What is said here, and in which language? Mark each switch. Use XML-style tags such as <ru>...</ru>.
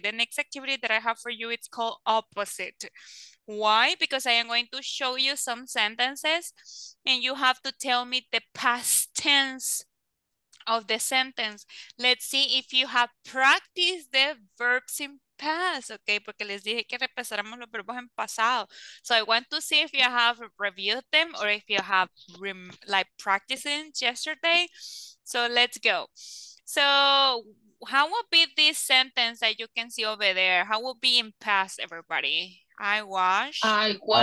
<en>The next activity that I have for you, it's called opposite. Why? Because I am going to show you some sentences and you have to tell me the past tense of the sentence. Let's see if you have practiced the verbs in past, okay?</en> <es>Porque les dije que repasáramos los verbos en pasado.</es> <en>So I want to see if you have reviewed them or if you have like practicing yesterday. So let's go. So how would be this sentence that you can see over there? How would be in past, everybody? I wash. I wash.</en>